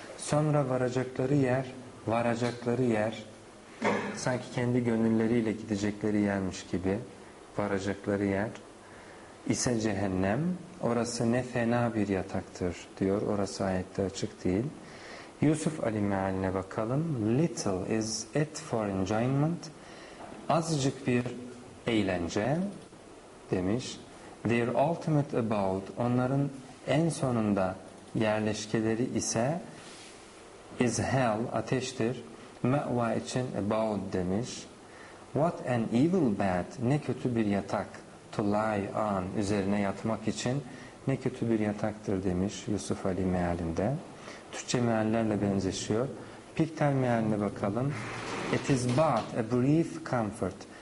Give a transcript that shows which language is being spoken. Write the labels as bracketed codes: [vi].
[tr] Sonra varacakları yer, varacakları yer. Sanki kendi gönülleriyle gidecekleri yermiş gibi varacakları yer ise cehennem. Orası ne fena bir yataktır diyor. Orası ayette açık değil. Yusuf Ali mealine bakalım. [en] Little is it for enjoyment. [tr] Azıcık bir eğlence demiş. [en] Their ultimate abode, [tr] onların en sonunda yerleşkeleri ise [en] is hell, [tr] ateştir. Me'va için [en] about [tr] demiş. [en] What an evil bed. [tr] Ne kötü bir yatak. [en] To lie on. [tr] Üzerine yatmak için ne kötü bir yataktır demiş Yusuf Ali mealinde. Türkçe meallerle benzeşiyor. Pikter mealine bakalım. [en] It is but a brief comfort.